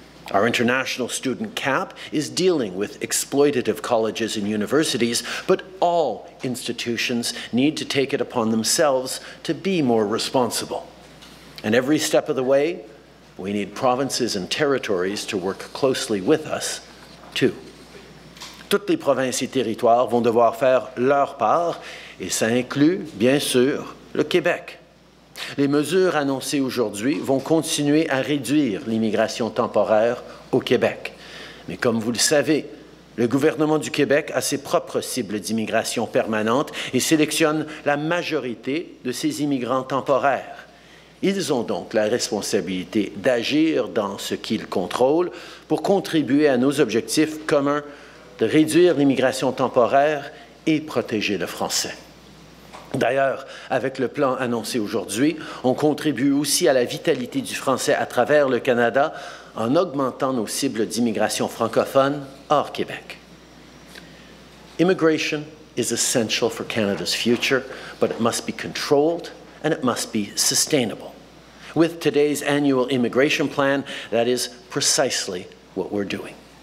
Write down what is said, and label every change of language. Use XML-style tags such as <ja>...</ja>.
<en>Our international student cap is dealing with exploitative colleges and universities, but all institutions need to take it upon themselves to be more responsible. And every step of the way, we need provinces and territories to work closely with us, too.</en> <fr>Toutes les provinces et territoires vont devoir faire leur part, et ça inclut, bien sûr, le Québec. Les mesures annoncées aujourd'hui vont continuer à réduire l'immigration temporaire au Québec. Mais comme vous le savez, le gouvernement du Québec a ses propres cibles d'immigration permanente et sélectionne la majorité de ses immigrants temporaires. Ils ont donc la responsabilité d'agir dans ce qu'ils contrôlent pour contribuer à nos objectifs communs de réduire l'immigration temporaire et protéger le français. D'ailleurs, avec le plan annoncé aujourd'hui, on contribue aussi à la vitalité du français à travers le Canada en augmentant nos cibles d'immigration francophone hors Québec.</fr> <en>Immigration is essential for Canada's future, but it must be controlled and it must be sustainable. With today's annual immigration plan, that is precisely what we're doing.</en>